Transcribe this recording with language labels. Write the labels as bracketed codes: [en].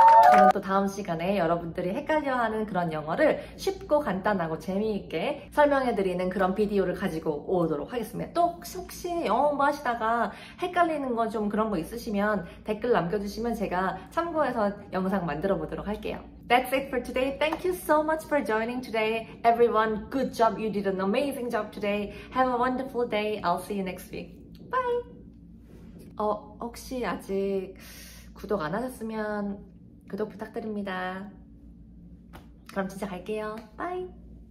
[ko] 그럼 또 다음 시간에 여러분들이 헷갈려하는 그런 영어를 쉽고 간단하고 재미있게 설명해드리는 그런 비디오를 가지고 오도록 하겠습니다. 또 혹시 영어 공부하시다가 헷갈리는 거 좀 그런 거 있으시면 댓글 남겨주시면 제가 참고해서 영상 만들어 보도록 할게요. [en] That's it for today. Thank you so much for joining today. Everyone, good job. You did an amazing job today. Have a wonderful day. I'll see you next week. Bye. [ko] 혹시 아직 구독 안 하셨으면 구독 부탁드립니다. 그럼 진짜 갈게요. [en] Bye.